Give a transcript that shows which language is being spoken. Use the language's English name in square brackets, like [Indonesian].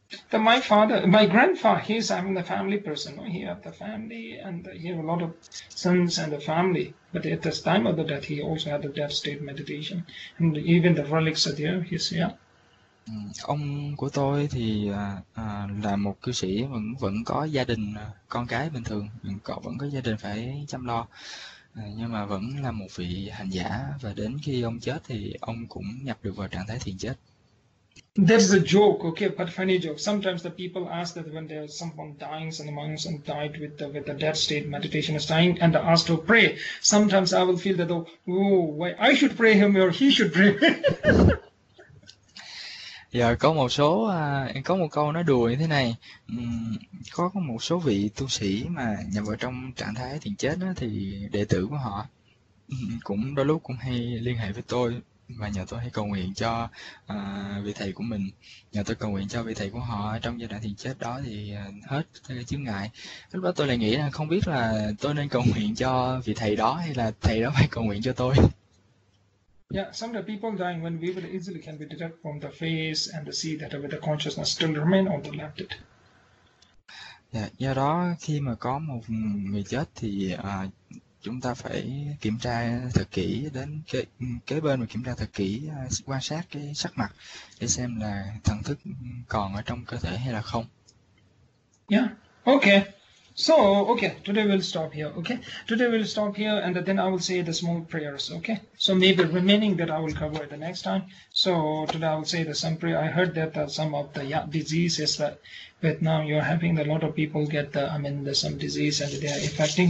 [English] The my father, my grandfather, he's having the family person. No? He had the family and he had a lot of sons and the family. But at this time of the death, he also had the death state meditation. And even the relics are there, he's here. [Vietnamese] Ông của tôi thì là một cư sĩ vẫn vẫn có gia đình, con cái bình thường, cậu vẫn có gia đình phải chăm lo, nhưng mà vẫn là một vị hành giả, và đến khi ông chết thì ông cũng nhập được vào trạng thái thiền chết. [English] There's a joke, okay, but funny joke. Sometimes the people ask that when there's someone dying, some monks and died with the death state meditation is dying and asked to pray. Sometimes I will feel that, oh, why I should pray him or he should pray. [Vietnamese] Dạ, có một số có một câu nói đùa như thế này. Có một số vị tu sĩ mà nhập vào trong trạng thái thiền chết đó, thì đệ tử của họ cũng đôi lúc cũng hay liên hệ với tôi và nhờ tôi hay cầu nguyện cho vị thầy của mình, nhờ tôi cầu nguyện cho vị thầy của họ trong giai đoạn thiền chết đó thì hết chướng ngại. Lúc đó tôi lại nghĩ là không biết là tôi nên cầu nguyện cho vị thầy đó hay là thầy đó phải cầu nguyện cho tôi. [English] Yeah, some of the people dying when we will easily can be detect from the face and the see that the consciousness still remain on the left. [Vietnamese] Do đó khi mà có một người chết thì chúng ta phải kiểm tra thật kỹ, đến kế bên mà kiểm tra thật kỹ, quan sát cái sắc mặt để xem là thần thức còn ở trong cơ thể hay là không. [English] Yeah, okay. So, okay, today we'll stop here, okay? Today we'll stop here and then I will say the small prayers, okay? So maybe remaining that I will cover the next time. So today I will say the some prayer. I heard that some of the diseases that with now you're having a lot of people get the, I mean, the some disease and they are affecting.